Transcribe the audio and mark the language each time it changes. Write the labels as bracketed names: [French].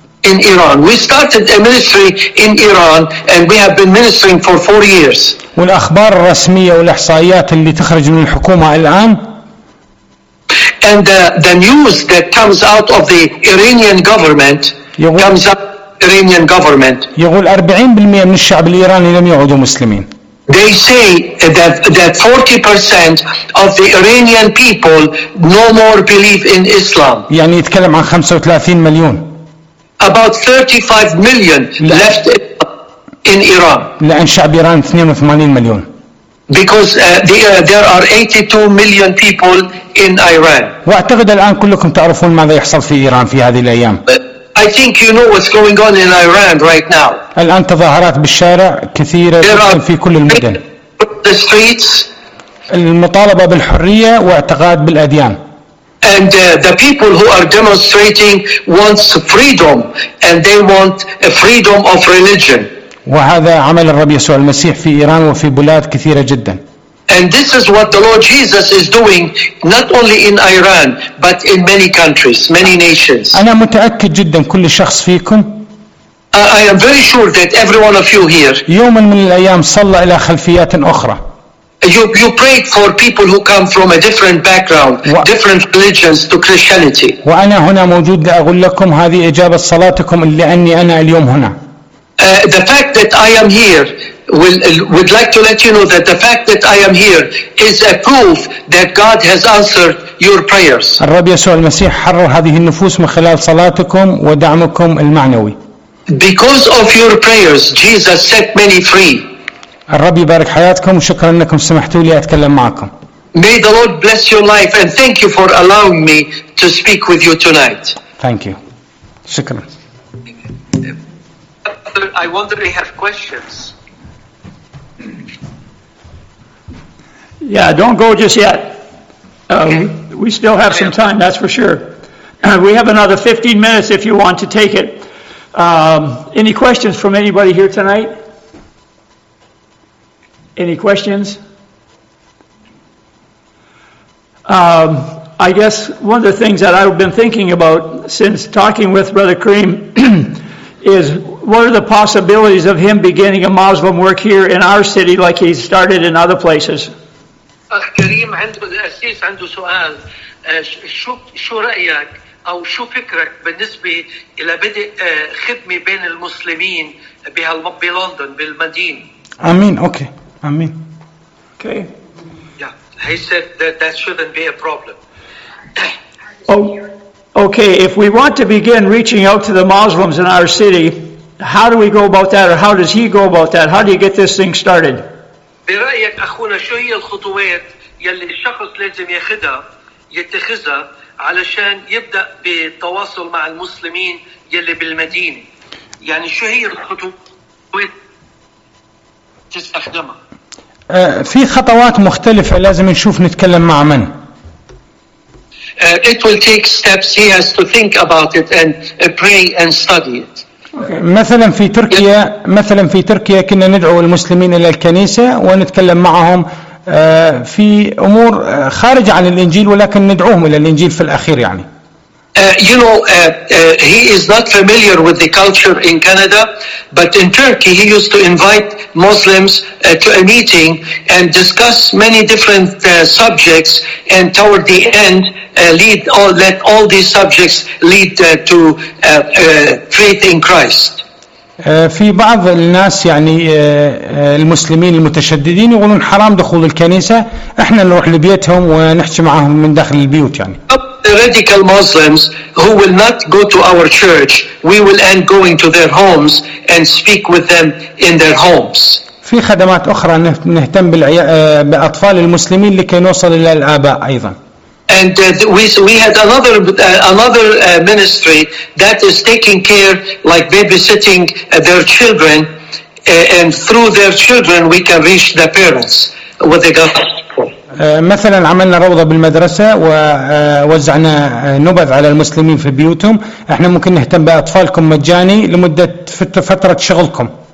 [English] In Iran. We started a ministry in Iran, and we have been ministering for 4 years. [Arabic] والأخبار الرسمية والإحصائيات اللي تخرج من الحكومة الآن. [English] And the news that comes out of the Iranian government comes out of the Iranian government. [Arabic] يقول 40% من الشعب الإيراني لم يعودوا مسلمين. [English] They say that 40% of the Iranian people no more believe in Islam. [Arabic] يعني يتكلم عن 35 مليون. [English] About 35 million left in Iran. [Arabic] لأن شعب إيران 82 مليون. [English] Because there are 82 million people in Iran. [Arabic] وأعتقد الآن كلكم تعرفون ماذا يحصل في إيران في هذه الأيام. [English] I think you know what's going on in Iran right now. [Arabic] الآن تظاهرات بالشارع كثيرة في كل المدن. [English] The streets. [Arabic] المطالبة بالحرية واعتقاد بالأديان. [English] And the people who are demonstrating wants freedom, and they want a freedom of religion. [Arabic] وهذا عمل الرب يسوع المسيح في إيران وفي بلاد كثيرة جدا. [English] And this is what the Lord Jesus is doing, not only in Iran, but in many countries, many nations. [Arabic] أنا متأكد جدا كل شخص فيكم. [English] I am very sure that every one of you here. [Arabic] يوما من الأيام صلى إلى خلفيات أخرى. [English] You prayed for people who come from a different background, different religions to Christianity. [Arabic] وأنا هنا موجود لأقول لكم هذه إجابة صلاتكم لأني أنا اليوم هنا. [English] The fact that I am here would like to let you know that the fact that I am here is a proof that God has answered your prayers. [Arabic] الرب يسوع المسيح حرر هذه النفوس من خلال صلاتكم ودعمكم المعنوي. [English] Because of your prayers, Jesus set many free. [Arabic] الرب يبارك حياتكم وشكرا أنكم سمحتوا لي أتكلم معكم. [English] May the Lord bless your life and thank you for allowing me to speak with you tonight. Thank you. شكرا. I wonder if you have questions. Yeah, don't go just yet. Okay. We still have some time, that's for sure. We have another 15 minutes if you want to take it. Any questions from anybody here tonight? Any questions? I guess one of the things that I've been thinking about since talking with Brother Kareem is what are the possibilities of him beginning a Muslim work here in our city like he started in other places? [Arabic] Kareem, أسيس عنده سؤال. شو رأيك أو شو فكرك بالنسبة إلى بدء خدمة بين المسلمين بلندن بالمدينة؟ [English] آمين. Okay. I mean, okay. Yeah, he said that shouldn't be a problem. Okay, if we want to begin reaching out to the Muslims in our city, how do we go about that, or how does he go about that? How do you get this thing started? [Arabic] برأيك أخونا شو هي الخطوات يلي الشخص لازم يتخذها علشان يبدأ بالتواصل مع المسلمين يلي بالمدينة؟ يعني شو هي الخطوات تستخدمها؟ في خطوات مختلفة لازم نشوف نتكلم مع من. [English] It will take steps. He has to think about it and pray and study it. [Arabic] مثلا في تركيا كنا ندعو المسلمين إلى الكنيسة ونتكلم معهم في أمور خارج عن الإنجيل ولكن ندعوهم إلى الإنجيل في الأخير يعني. [English] He is not familiar with the culture in Canada, but in Turkey he used to invite Muslims to a meeting and discuss many different subjects, and toward the end let all these subjects lead to faith in Christ. [Arabic] في بعض الناس يعني المسلمين المتشددين يقولون حرام دخول الكنيسة، احنا نروح لبيتهم ونحكي معهم من داخل البيوت يعني. [English] The radical Muslims who will not go to our church, we will end going to their homes and speak with them in their homes. [Arabic] في خدمات أخرى نهتم بأطفال المسلمين لكي نوصل إلى الآباء أيضا. [English] And we had another ministry that is taking care, like babysitting their children, and through their children we can reach the parents with the gospel. [Arabic] مثلا عملنا روضة بالمدرسة ووزعنا نبذ على المسلمين في بيوتهم. احنا ممكن نهتم بأطفالكم مجاني لمدة فترة شغلكم.